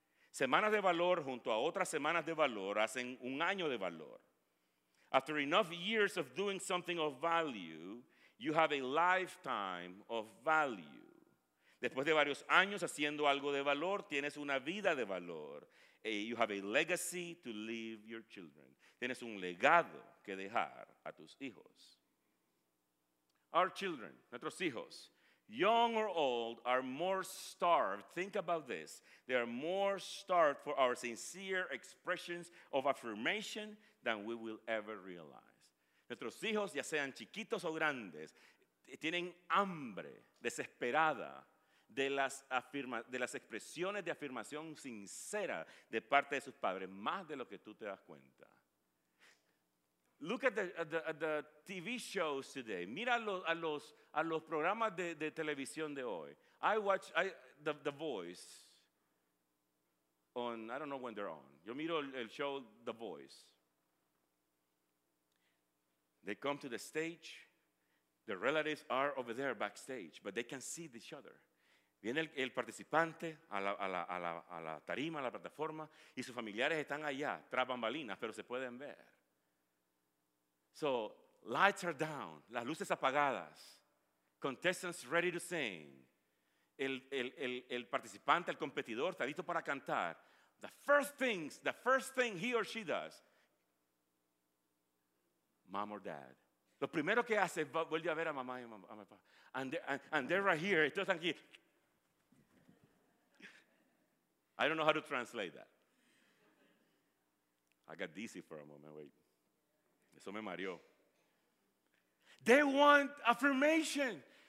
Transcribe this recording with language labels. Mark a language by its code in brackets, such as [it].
[es] Semanas de valor junto a otras semanas de valor hacen un año de valor. [en] After enough years of doing something of value, you have a lifetime of value. [es] Después de varios años haciendo algo de valor, tienes una vida de valor. [en] You have a legacy to leave your children. [es] Tienes un legado que dejar a tus hijos. [en] Our children, [es] nuestros hijos, [en] young or old, are more starved. Think about this. They are more starved for our sincere expressions of affirmation than we will ever realize. [es] Nuestros hijos, ya sean chiquitos o grandes, tienen hambre desesperada de las expresiones de afirmación sincera de parte de sus padres, más de lo que tú te das cuenta. [en] Look at the TV shows today. [es] Mira a los programas de televisión de hoy. [en] I watch the Voice. On, I don't know when they're on. [es] Yo miro el show The Voice. [en] They come to the stage. The relatives are over there backstage, but they can see each other. [es] Viene el participante a la tarima, a la plataforma, y sus familiares están allá tras bambalinas, pero se pueden ver. [en] So, lights are down, [es] las luces apagadas, [en] contestants ready to sing. [es] El participante, el competidor, está listo para cantar. [en] The first thing he or she does, mom or dad. [es] Lo primero que hace es vuelve a ver a mamá y a mi papá. [en] And they're right here, [es] todos están aquí. [en] I don't know how to translate that. I got dizzy for a moment, wait. [es] Eso me mareó. [en] They want affirmation.